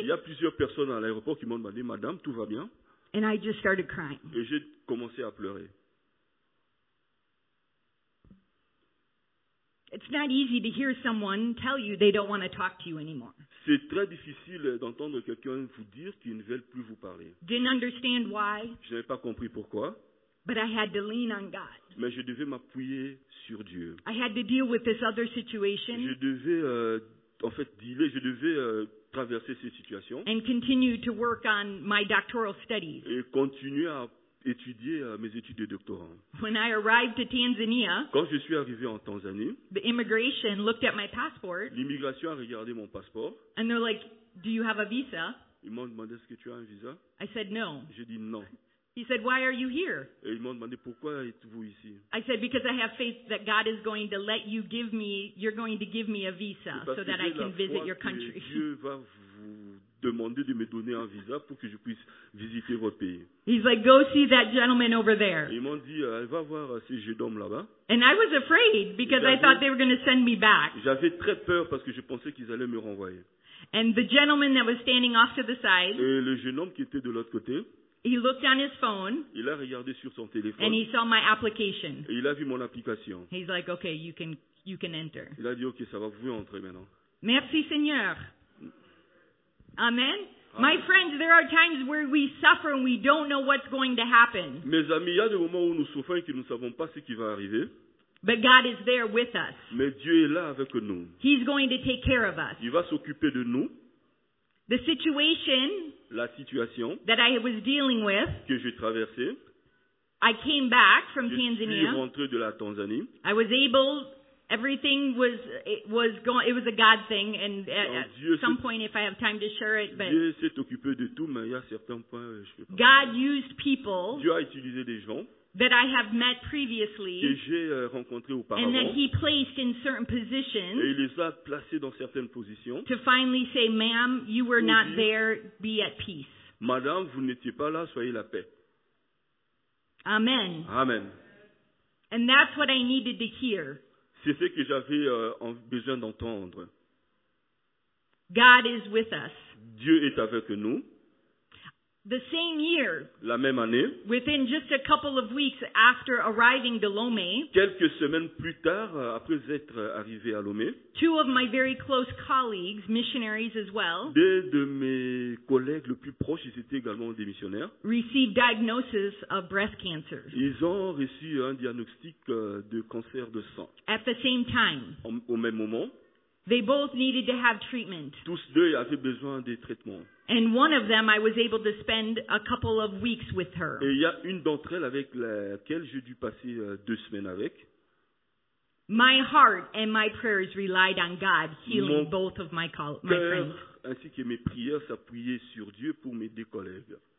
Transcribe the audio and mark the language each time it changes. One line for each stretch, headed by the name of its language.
French: Il y a plusieurs personnes à l'aéroport qui m'ont demandé, "Madame, tout va bien?"
English: And I just started crying.
French: Et j'ai commencé à pleurer.
English: It's not easy to hear someone tell you they don't want to talk to you anymore.
French: C'est très difficile d'entendre quelqu'un vous dire qu'il ne veut plus vous parler.
English: Didn't understand why.
French: Je n'avais pas compris pourquoi.
English: But I had to lean on God.
French: Mais je devais m'appuyer sur Dieu.
English: I had to deal with this other situation.
French: Je devais traverser cette situation.
English: And continue to work on my doctoral studies.
French: Et continuer à étudier mes études de doctorat.
English: When I arrived to Tanzania,
French: quand je suis arrivé en Tanzanie,
English: the immigration looked at my passport.
French: L'immigration a regardé mon passeport.
English: And they're like, "Do you have a visa?"
French: Ils m'ont demandé, "Est-ce que tu as un visa?"
English: I said no.
French: J'ai dit non.
English: He said, "Why are you here?"
French: Et ils m'ont demandé, "Pourquoi êtes-vous ici?"
English: I said, "Because I have faith that God is going to let you give me, you're going to give me a visa so that I can visit your country."
French: Dieu va vous demander de me donner un visa pour que je puisse visiter votre pays.
English: He's like, go see that gentleman over there.
French: Ils m'ont dit, va voir ce jeune homme là-bas.
English: And I was afraid because I thought they were going to send me back.
French: J'avais très peur parce que je pensais qu'ils allaient me renvoyer.
English: And the gentleman that was standing off to the side.
French: Et le jeune homme qui était de l'autre côté.
English: He looked on his phone.
French: Il a regardé sur son téléphone.
English: And he saw my application.
French: Et il a vu mon application.
English: He's like, okay, you can enter.
French: Il a dit, ok, ça va, vous pouvez entrer maintenant. Merci, Seigneur. Amen.
English: My friends, there are times where we suffer and we don't know what's going to happen.
French: Mes amis, il y a des moments où nous souffrons et que nous ne savons pas ce qui va arriver.
English: But God is there with us.
French: Mais Dieu est là avec nous.
English: He's going to take care of us.
French: Il va s'occuper de nous.
English: The situation,
French: la situation
English: that I was dealing with,
French: que j'ai traversé,
English: I came back from Tanzania.
French: Je suis rentré de la Tanzanie.
English: I was able, everything was going, it was a God thing, and at some point, if I have time to share it, but
French: Dieu s'est occupé de tout, mais il y a certains points, je peux pas.
English: God used people.
French: Dieu a utilisé des gens.
English: That I have met previously,
French: que j'ai rencontré auparavant,
English: and that he placed in certain positions,
French: et il les a placés dans certaines positions,
English: to finally say, "Ma'am, you were not there. Be at peace."
French: Madame, vous n'étiez pas là. Soyez la paix. Amen. Amen.
English: And that's what I needed to hear.
French: C'est ce que j'avais besoin d'entendre.
English: God is with us.
French: Dieu est avec nous.
English: The same year,
French: la même année,
English: within just a couple of weeks after arriving to Lomé,
French: quelques semaines plus tard, après être arrivé à Lomé,
English: two of my very close colleagues, missionaries as well,
French: deux de mes collègues les plus proches, ils étaient également des missionnaires,
English: received diagnosis of breast cancer.
French: Ils ont reçu un diagnostic de cancer de sang.
English: At the same time,
French: au même moment,
English: they both needed to have treatment.
French: Tous deux avaient besoin des traitements.
English: And one of them, I was able to spend a couple of weeks with her.
French: Et il y a une d'entre elles avec laquelle j'ai dû passer deux semaines avec.
English: My heart and my prayers relied on God healing both of my friends.
French: Ainsi que mes prières s'appuyaient sur Dieu pour mes deux collègues.